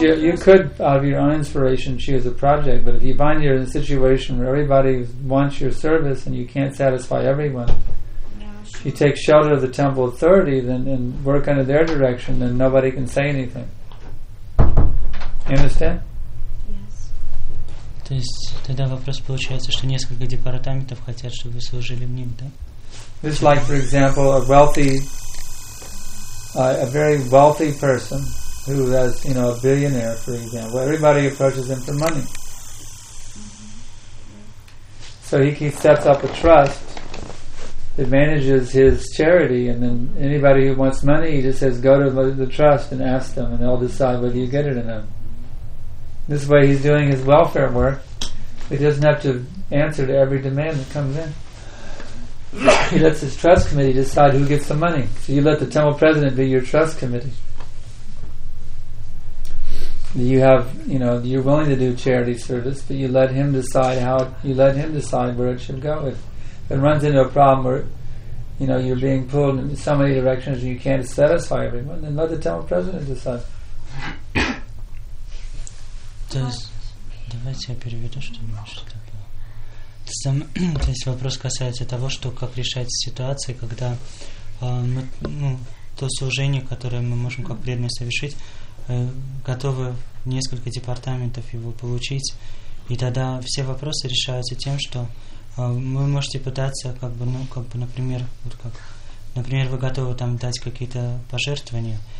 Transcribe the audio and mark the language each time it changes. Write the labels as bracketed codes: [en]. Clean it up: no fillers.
[en] You could, out of your own inspiration, choose a project. But if you find you're in a situation where everybody wants your service and you can't satisfy everyone. You take shelter of the temple authority then and work under their direction, then nobody can say anything. You understand? Yes. [ru] То есть тогда вопрос получается, что несколько департаментов хотят, чтобы вы служили в ним, да? [en] Just like, for example, a wealthy a very wealthy person who has, you know, a billionaire, for example. Everybody approaches him for money. So he sets up a trust that manages his charity, and then anybody who wants money, he just says, go to the trust and ask them, and they'll decide whether you get it or not. This way he's doing his welfare work. He doesn't have to answer to every demand that comes in. He lets his trust committee decide who gets the money. So you let the temple president be your trust committee. you have, you know, you're willing to do charity service, but you let him decide how, you let him decide where it should go. If it runs into a problem where, you know, you're being pulled in so many directions and you can't satisfy everyone, then let the town president decide. [ru] Давайте я переведу что-нибудь, что такое. То есть вопрос касается того, что как решать ситуации, когда мы, ну, то служение, которое мы можем как преданные совершить, готовы несколько департаментов его получить, и тогда все вопросы решаются тем, что вы можете пытаться, как бы, ну, как бы, например, вот как, например, вы готовы там дать какие-то пожертвования.